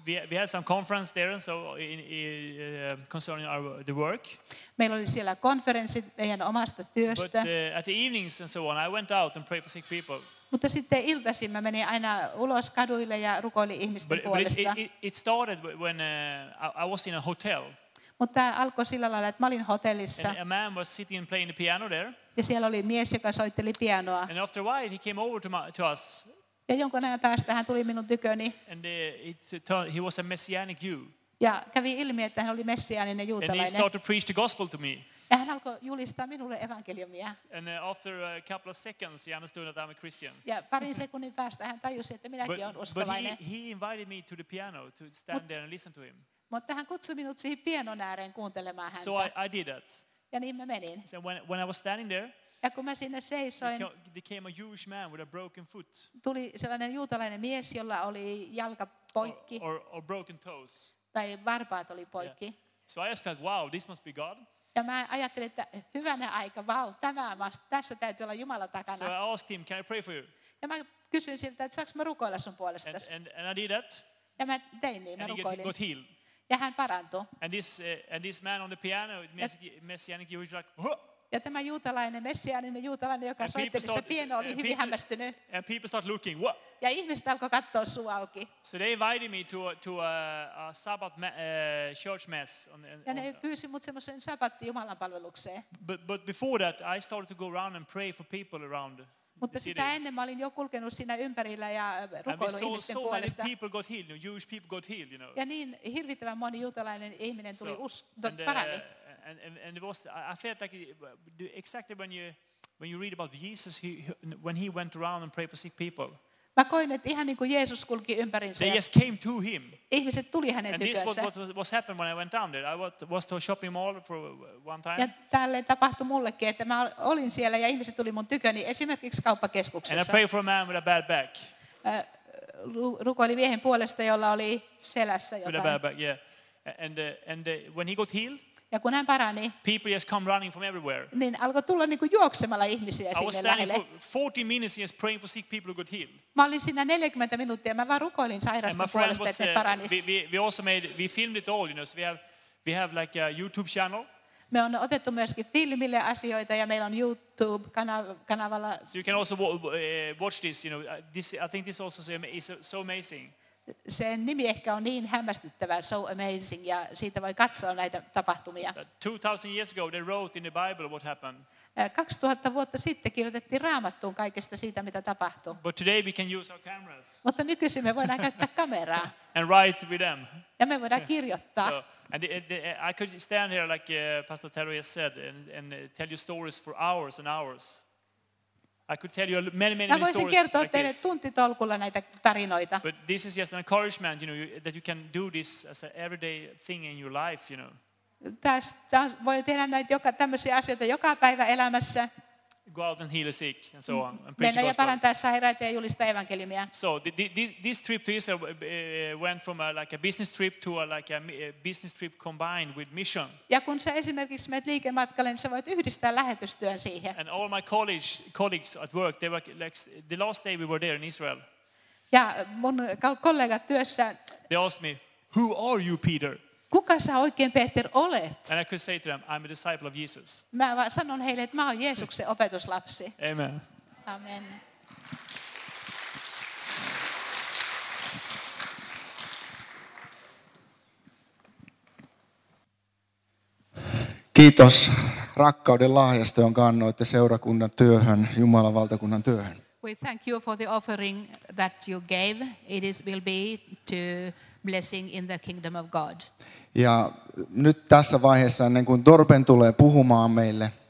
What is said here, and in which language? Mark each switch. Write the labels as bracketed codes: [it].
[en] We had some conference there, so concerning the work. [fi] Meillä oli siellä konferenssi meidän omasta työstä. [en] But at the evenings and so on, I went out and prayed for sick people. [fi] Mutta sitten iltaisin mä menin aina ulos kaduille ja rukoilin ihmisten puolesta. [en] It started when I was in a hotel. [fi] Mutta tämä alkoi sillä lailla, että mä olin hotellissa. [en] And a man was sitting and playing the piano there. [fi] Ja siellä oli mies, joka soitteli pianoa. [en] And after a while, he came over to us. [fi] Ja jonkun ajan päästä hän tuli minun tyköni. [en] And he was a messianic Jew. [fi] Ja kävi ilmi, että hän oli messiaaninen juutalainen. [en] And he started to preach the gospel to me. [fi] Ja hän alkoi julistaa minulle evankeliumia. [en] And after a couple of seconds, he understood that I'm a Christian. [fi] Ja parin sekunnin päästä hän tajusi, että minäkin olen uskovainen. [en] But he invited me to the piano to stand there and listen to him. [fi] Mutta hän kutsui minut siihen pianon ääreen kuuntelemaan häntä. [en] So I did that. [fi] Ja niin mä menin. [en] So when I was standing there, [fi] ja kun mä siinä seisoin, [en] there came a Jewish man with a broken foot. [fi] Tuli sellainen juutalainen mies, jolla oli jalka poikki. [en] Or broken toes. [fi] Tai varpaat oli poikki. [en] Yeah. So I just felt, wow, this must be God. [fi] Ja mä ajattelin, että hyvänä aika, wow, tässä täytyy olla Jumala takana. [en] So I asked him, can I pray for you? [fi] Ja mä kysyin siltä, että saanko mä rukoilla sun puolestasi. [en] And I did that. [fi] Ja mä tein niin, mä [en] and [fi] rukoilin. [en] He got healed. [fi] Ja hän parantui. [en] And this man on the piano, messianic Jewish, like, huh! [fi] Ja tämä juutalainen, messiaaninen juutalainen, joka soitteli sitä pianoa, oli hyvin hämmästynyt. [en] And people start looking, what? [fi] Ja ihmiset alkoi katsoa suu auki. [en] So they invited me to a Sabbath church mass. [fi] Ja ne pyysi mut semmoisen sabbatti Jumalan palvelukseen. [en] But before that, I started to go around and pray for people around. [fi] Mutta sitä ennen mä olin jo kulkenut siinä ympärillä ja rukoillut ihmisten puolesta. [en] And so many people got healed, Jewish people got healed, you know. [fi] Ja niin hirvittävän moni juutalainen ihminen tuli parani. [en] And it was, I felt like exactly when you read about Jesus, when he went around and prayed for sick people. [fi] Mä koin, että ihan niin kuin Jeesus kulki ympärinsä. [en] They just came to him. [fi] Ihmiset tuli hänen tykönsä. [en] And this is what happened when I went down there. I was to a shopping mall for one time. [fi] Ja tälleen tapahtui mullekin, että mä olin siellä ja ihmiset tuli mun tyköni esimerkiksi kauppakeskuksessa. [en] And I prayed for a man with a bad back. [fi] Rukoili miehen puolesta, jolla oli selässä jotain. [en] With a bad back, yeah. And when he got healed, [fi] ja kun hän parani, [en] people just come running from everywhere. [fi] Niin alkoi tulla niinku juoksemalla ihmisiä sinne lähelle. [en] I was standing for 40 minutes just praying for sick people who got healed. [fi] Mä olin siinä 40 minuuttia, mä vaan rukoilin sairaasta puolesta, että paranisi. [en] We filmed it all, you know, so we have like a YouTube channel. [fi] Me on otettu myöskin filmille asioita ja meillä on YouTube kanavalla. [en] So you can also watch this, you know, this, I think this also is so amazing. [fi] Sen nimi ehkä on niin hämmästyttävä, [en] so amazing, [fi] ja siitä voi katsoa näitä tapahtumia. [en] 2000 years ago they wrote in the Bible what happened. [fi] 2000 vuotta sitten kirjoitettiin Raamattuun kaikesta siitä, mitä tapahtui. [en] But today we can use our cameras. [fi] Mutta nykyisin me voidaan käyttää kameraa. [en] And write with them. [fi] Ja me voidaan kirjoittaa. [en] So, and I could stand here like Pastor Terry has said and tell you stories for hours and hours. I could tell you many [fi] voisin kertoa teille [en] like [fi] tuntitolkulla näitä tarinoita. [en] But this is just an encouragement, you know, that you can do this as an everyday thing in your life, you know. [fi] Tästä voi tehdä näitä joka tämmöisiä asioita joka päivä elämässä. [en] Go out and heal a sick and so on. [fi] Mennä ja parantaa sairaita ja julista evankeliumia. [en] So this trip to Israel went from like a business trip to like a business trip combined with mission. [fi] Ja kun sä esimerkiksi menet liikematkalle, niin sä voit yhdistää lähetystyön siihen. [en] And all my colleagues at work, they were like the last day we were there in Israel. [fi] Ja mun kollegat työssä. [en] They asked me, "Who are you, Peter?" [fi] Kuka sä oikein, Peter, olet? [en] And I could say to them, I'm a disciple of Jesus. [fi] Mä vaan sanon heille, että mä oon Jeesuksen opetuslapsi. [en] Amen. Amen. [fi] Kiitos rakkauden lahjasta, jonka annoitte seurakunnan työhön, Jumalan valtakunnan työhön. [en] We thank you for the offering that you gave. It will be to blessing in the kingdom of God. [fi] Ja nyt tässä vaiheessa, ennen kuin Torben tulee puhumaan meille,